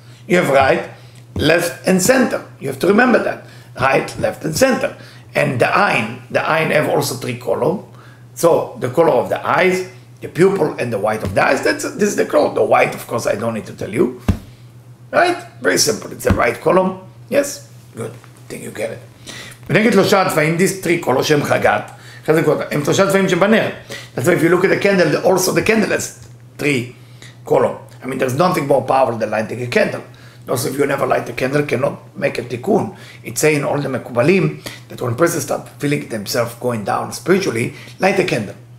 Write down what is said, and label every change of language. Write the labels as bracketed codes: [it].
[en] You have right, left, and center. You have to remember that. Right, left, and center. And the ayin have also three kolom. So the color of the eyes, the pupil and the white of the eyes, this is the color. The white, of course, I don't need to tell you. Right? Very simple. It's the right column. Yes? Good. I think you get it. [he] ונגד שלושה הצבעים, [en] this three color, [he] שם חגת, הם שלושה הצבעים שבנר. [en] That's why if you look at the candle, also the candle has three column. I mean, there's nothing more powerful than lighting a candle. Also, if you never light a candle, cannot make a tikkun. It's saying all the mekubalim that when a person starts feeling themselves going down spiritually, light a candle.